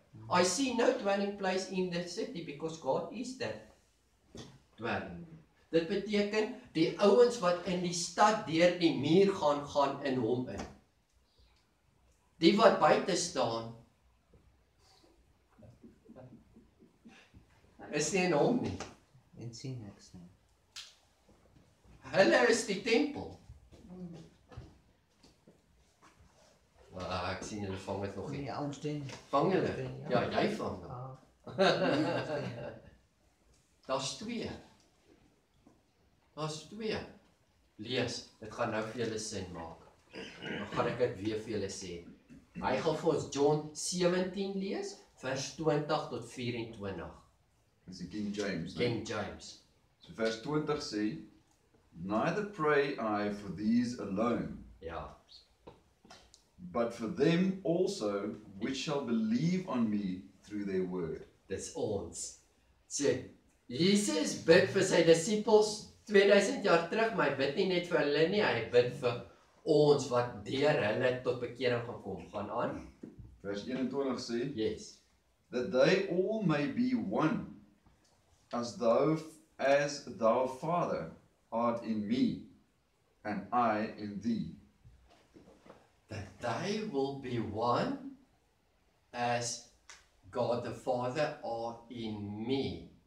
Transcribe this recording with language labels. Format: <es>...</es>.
<en>I see no dwelling place in the city because God is that dwelling.</en> <af>Dit beteken die ouens wat in die stad deur die muur gaan, gaan in hom in. Die wat buite staan is nie in hom nie. En sien niks nie. Hulle is die tempel. Ah, ek sien julle vang het nog nie. Nee, ons doen. Vang julle? Ja, jy vang hom. Daar's twee. Daar's twee. Lees, dit gaan nou vir julle sin maak. Dan gaan ek dit weer vir julle sê. Hy gaan vir ons John 17 lees, vers 20 tot 24. Dis die King James. King James.</af> <en>So vers 20 sê, neither pray I for these alone.</en> <af>Ja.</af> <en>But for them also which shall believe on me through their word. That's ons.</en> <af>So, Jesus bid vir sy disciples 2000 jaar terug, maar hy bid nie net vir hulle nie, hy bid vir ons wat deur hulle tot bekering gekom gaan aan. Vers 21 sê,</af> <en>yes. That they all may be one, as thou Father art in me, and I in thee. That they will be one as God the Father are in me.</en>